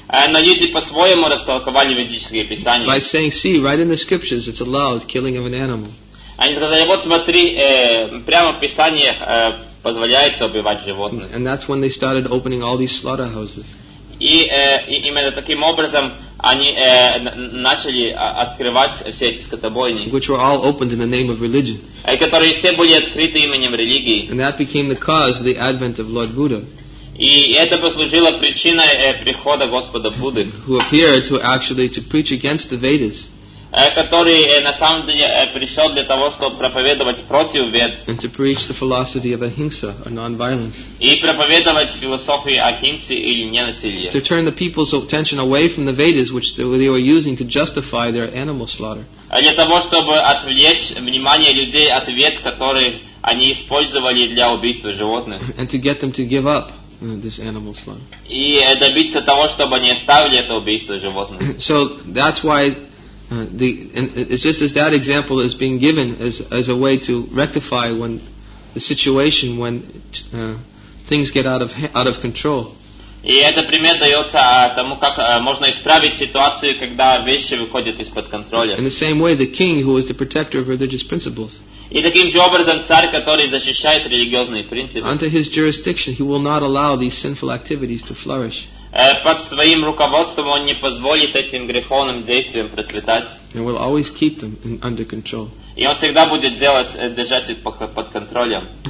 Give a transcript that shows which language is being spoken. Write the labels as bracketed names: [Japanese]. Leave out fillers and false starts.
[Russian] Но люди по-своему растолковали ведические писания. [English] By saying, see, right in the scriptures it's allowed killing of an animal. [Russian] Они сказали, вот смотри, прямо в Писаниях позволяется убивать животных. [English] And that's when they started opening all these slaughterhouses. [Russian] И именно таким образом они начали открывать все эти скотобойни. [English] Which were all opened in the name of religion. [Russian] Которые все были открыты именем религии. [English] And that became the cause of the advent of Lord Buddha. [Russian] И это послужило причиной прихода Господа Будды. [English] Who appeared to preach against the Vedas. [Russian] Который на самом деле пришел для того, чтобы проповедовать против Вед. [English] And to preach the philosophy of ahimsa or non-violence. [Russian] И проповедовать философию ахимсы или ненасилия. [English] To turn the people's attention away from the Vedas, which they were using to justify their animal slaughter. [Russian] Для того, чтобы отвлечь внимание людей от Вед, которые они использовали для убийства животных. [English] And to get them to give up. this animal slaughter. [Russian] И добиться того, чтобы они оставили это убийство животных. [English] So that's why it's just as that example is being given as a way to rectify when the situation when things get out of control. [Russian] И этот пример дается тому, как можно исправить ситуацию, когда вещи выходят из-под контроля. [English] In the same way, the king, who is the protector of religious principles. [Russian] И таким же образом царь, который защищает религиозные принципы. [English] Under his jurisdiction, he will not allow these sinful activities to flourish. [Russian] Под своим руководством он не позволит этим греховным действиям процветать. [English] And will always keep them under control. [Russian] И он всегда будет держать их под контролем.